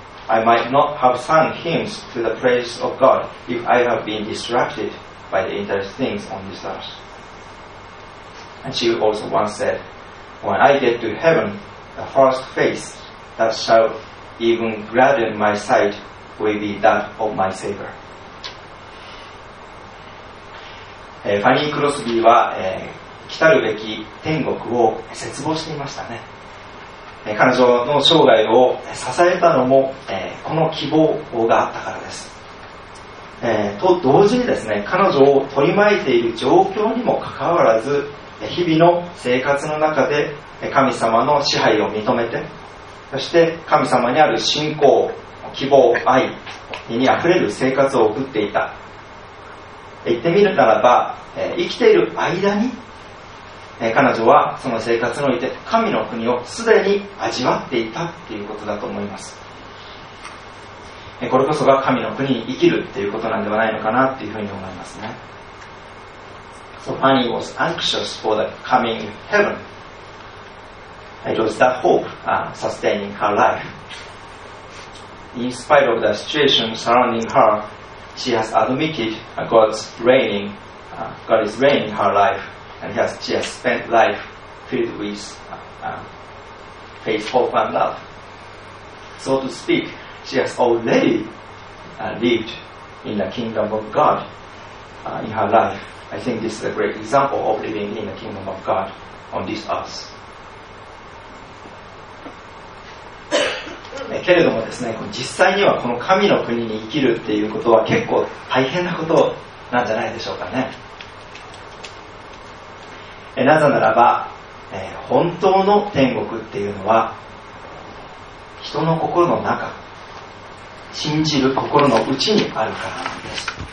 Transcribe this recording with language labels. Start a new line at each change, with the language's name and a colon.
English: I might not have sung hymns to the praise of God if I had been distracted by the interesting things on this earth. And she also once said, when I get to heaven, the first face that shall even gladden my sight will be that of my Savior.
Japanese: ファニー・クロスビーは、来たるべき天国を絶望していましたね。彼女の生涯を支えたのも、この希望があったからです。と同時にですね、彼女を取り巻いている状況にもかかわらず、日々の生活の中で神様の支配を認めて、そして神様にある信仰、希望、愛にあふれる生活を送っていた。言ってみるならば、生きている間に彼女はその生活において神の国をすでに味わっていたということだと思います。これこそが神の国に生きるということなんではないのかなというふうに思いますね。
English: So Fanny was anxious for the coming heaven. It was that hope sustaining her life. In spite of the situation surrounding her, she has admitted God is reigning her life, and she has spent life filled with faith, hope, and love. So to speak, she has already lived in the kingdom of God in her life. I think this is a great example of living in the kingdom of God on this earth.
Japanese: けれどもですね、実際にはこの神の国に生きるっていうことは結構大変なことなんじゃないでしょうかね。なぜならば、本当の天国っていうのは人の心の中、信じる心の内にあるからなんです。